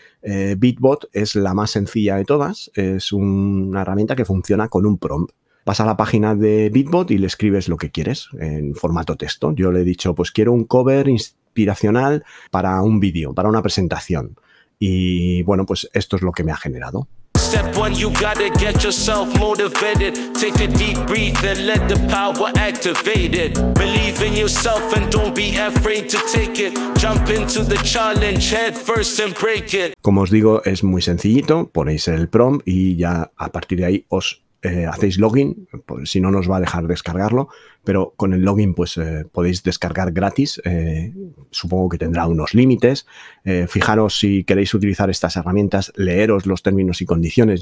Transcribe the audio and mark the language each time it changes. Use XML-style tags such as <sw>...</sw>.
<es>Bitbot es la más sencilla de todas. Es una herramienta que funciona con un prompt. Vas a la página de Bitbot y le escribes lo que quieres en formato texto. Yo le he dicho, pues quiero un cover inspiracional para un vídeo, para una presentación. Y bueno, pues esto es lo que me ha generado.</es> <en>Step one, you gotta get yourself motivated. Take a deep breath and let the power activate it. Believe in yourself and don't be afraid to take it. Jump into the challenge head first and break it.</en> <es>Como os digo, es muy sencillito. Ponéis el prompt y ya a partir de ahí os hacéis login. Pues, si no, nos va a dejar descargarlo. Pero con el login pues podéis descargar gratis. Supongo que tendrá unos límites. Fijaros, si queréis utilizar estas herramientas, leeros los términos y condiciones.</es>